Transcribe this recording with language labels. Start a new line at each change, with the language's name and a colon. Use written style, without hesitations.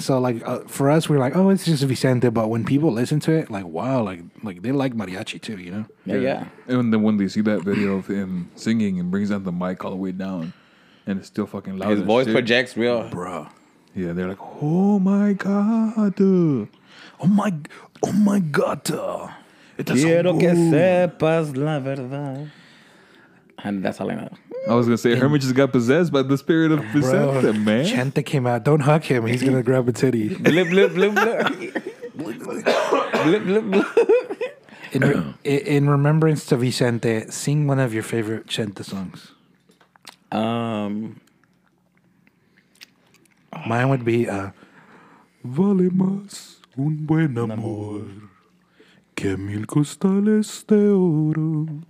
English: So like for us, we're like, oh, it's just Vicente. But when people listen to it, like, wow, like they like mariachi too, you know? Yeah. And then when they see that video of him singing and brings down the mic all the way down, and it's still fucking loud. His voice projects real, bro. Yeah, they're like, oh my god, oh my god.
Spanish: Quiero que sepas la verdad.
English: And that's all I know. I was going to say, Hermit just got possessed by the spirit of Vicente, man. Chente came out. Don't hug him. He's going to grab a titty. Blip, blip, blip, blip. Blip, blip, blip. In remembrance to Vicente, sing one of your favorite Chente songs. Mine would be,
Spanish: Vale más un buen amor que mil costales de oro.